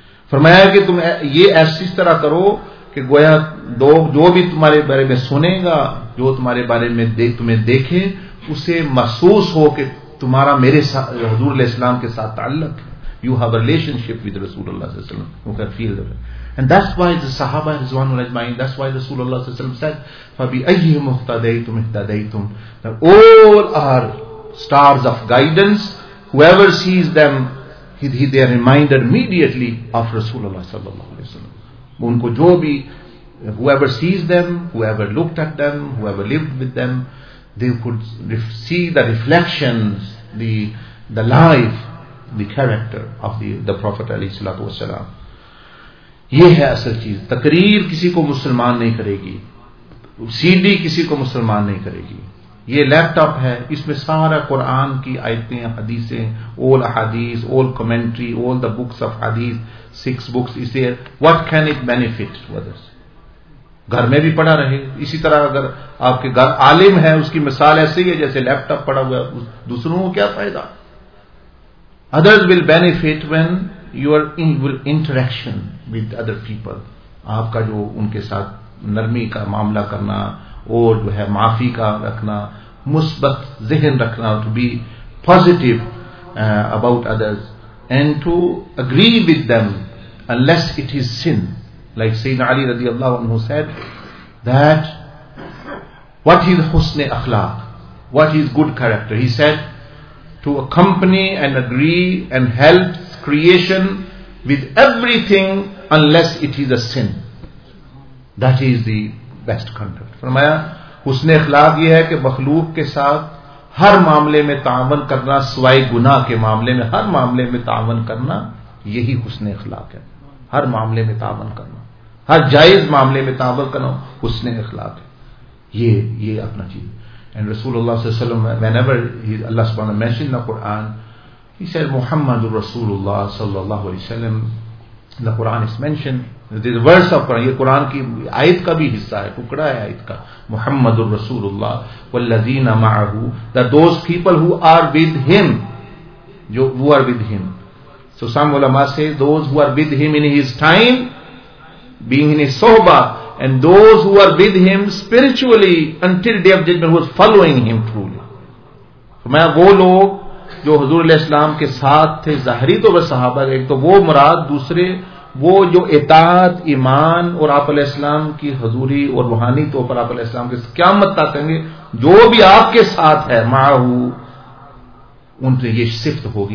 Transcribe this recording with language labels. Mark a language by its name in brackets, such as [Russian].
[Urdu] فرمایا کہ تم یہ ایسی اس طرح کرو کہ گویا جو بھی تمہارے بارے میں سنے گا, جو تمہارے بارے میں تمہیں دیکھے, اسے محسوس ہو کہ تمہارا میرے ساتھ حضور علیہ السلام کے ساتھ تعلق ہے, [English] You have a relationship with رسول اللہ صلی اللہ علیہ وسلم, feel that. And that's why the Sahaba is one who is mine. That's why the Rasulullah said, [Arabic] فَبِأَيِّهِ مُحْتَدَيْتُمْ اِحْتَدَيْتُمْ. [English] Now all are stars of guidance. Whoever sees them, they are reminded immediately of Rasulullah sallallahu alayhi wa sallam. [Urdu] Unko jo bhi, [English] whoever sees them, whoever looked at them, whoever lived with them, they could see the reflections, the life, the character of the Prophet alayhi salatu wa sallam. [Urdu] یہ ہے اصل چیز. تقریر کسی کو مسلمان نہیں کرے گی, سی ڈی کسی کو مسلمان نہیں کرے گی, یہ لیپ ٹاپ ہے, اس میں سارا قرآن کی آیتیں حدیثیں, اول احادیث, [English] All commentary, all the books of حدیث, 6 books اس سے, what can it benefit others? [Urdu] گھر میں بھی پڑھا رہے, اسی طرح اگر آپ کے گھر عالم ہے اس کی مثال ایسے ہی ہے جیسے لیپ ٹاپ پڑا ہوا ہے, دوسروں کو کیا فائدہ؟ [English] others will benefit when your interaction with other people, [Urdu] آپ کا جو ان کے ساتھ نرمی کا معاملہ کرنا اور جو ہے معافی کا رکھنا, مثبت ذہن رکھنا, [English] to be positive about others and to agree with them unless it is sin. Like Sayyidina Ali radiallahu anhu said, that what is husn-e akhlaq? What is good character? He said, to accompany and agree and help creation with everything unless it is a sin. That is the best conduct. [Urdu] فرمایا حسن اخلاق یہ ہے کہ مخلوق کے ساتھ ہر معاملے میں تعاون کرنا سوائے گناہ کے معاملے میں, ہر معاملے میں تعاون کرنا یہی حسن اخلاق ہے. ہر معاملے میں تعاون کرنا, ہر جائز معاملے میں تعاون کرنا حسن اخلاق ہے. یہ اپنا چیز. [English] And رسول اللہ صلی اللہ علیہ وسلم whenever اللہ سبحانہ mentioned the Quran, he said Muhammad رسول اللہ صلی اللہ علیہ وسلم. The Quran is mentioned. This is a verse of Quran. [Urdu] یہ قرآن کی آیت کا بھی حصہ ہے, ٹکڑا ہے آیت کا. [Arabic] محمد الرسول اللہ والذین معه, [English] the those people who are with him, جو who are with him. So some علماء say those who are with him in his time being in his sohbah, and those who are with him spiritually until day of judgment who are following him truly. [Urdu] میں وہ لوگ جو حضور علیہ السلام کے ساتھ تھے ظاہری تو وہ صحابہ, ایک تو وہ مراد, دوسرے وہ جو اطاعت ایمان اور آپ علیہ السلام کی حضوری اور روحانی طور پر آپ علیہ السلام کے قیامت تک کہیں گے جو بھی آپ کے ساتھ ہے معہو, ان سے یہ صفت ہوگی.